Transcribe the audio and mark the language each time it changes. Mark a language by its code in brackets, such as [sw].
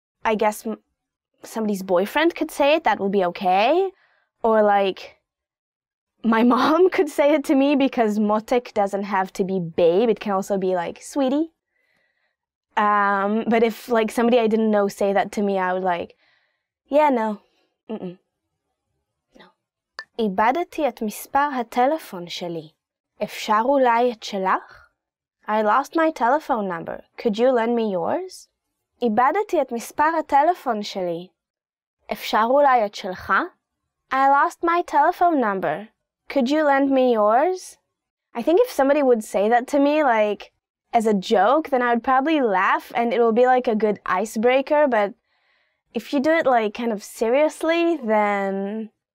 [en] I guess somebody's boyfriend could say it, that would be okay. Or like my mom could say it to me because Motek doesn't have to be babe. It can also be like sweetie. But if like somebody I didn't know say that to me, I would like, yeah, no. Mm-mm. [he] איבדתי את מספר הטלפון שלי. אפשר אולי את שלך? [en] I lost my telephone number. Could you lend me yours? [he] איבדתי את מספר הטלפון שלי. אפשר אולי את שלך? [en] I lost my telephone number. Could you lend me yours? I think if somebody would say that to me, like, as a joke, then I would probably laugh and it will be like a good icebreaker, but if you do it, like, kind of seriously, then...